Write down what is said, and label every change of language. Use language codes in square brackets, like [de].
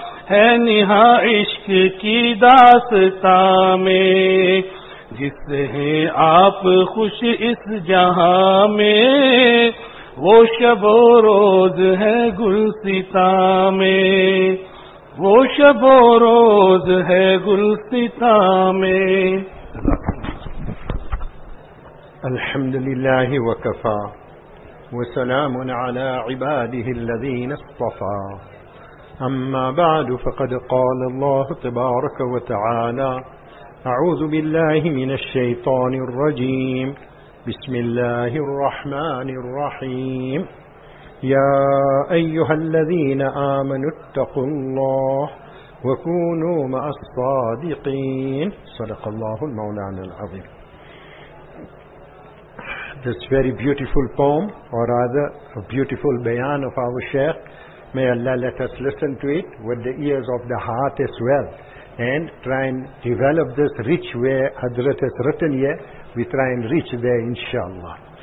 [ur] ہے نہاں عشق کی داستاں میں جس سے ہیں آپ خوش اس جہاں میں وہ شب و روز ہے گلستاں میں وہ شب و روز ہے گلستاں میں [ar] الحمد للہ وکفا وسلام على عباده الذين اصطفى أما بعد فقد قال الله تبارك وتعالى أعوذ بالله من الشيطان الرجيم بسم الله الرحمن الرحيم يا أيها الذين آمنوا اتقوا الله وكونوا مع الصادقين صدق الله المولانا العظيم. [en] This very beautiful poem, or rather a beautiful bayan of our Shaykh, may Allah let us listen to it with the ears of the heart as well, and try and develop this reach where Hazrat has written here, we try and reach there inshallah.